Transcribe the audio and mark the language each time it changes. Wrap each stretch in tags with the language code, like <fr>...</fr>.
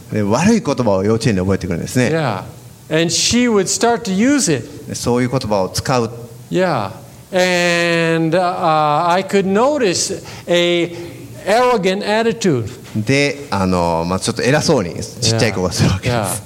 <ja>悪い言葉を幼稚園で覚えてくるんですね。</ja> <en>Yeah. And she would start to use it.</en> <ja>そういう言葉を使う。</ja> <en>Yeah. And I could notice a arrogant attitude.</en> <ja>で、あの、まあ、ちょっと偉そうにちっちゃい子がするわけです。</ja>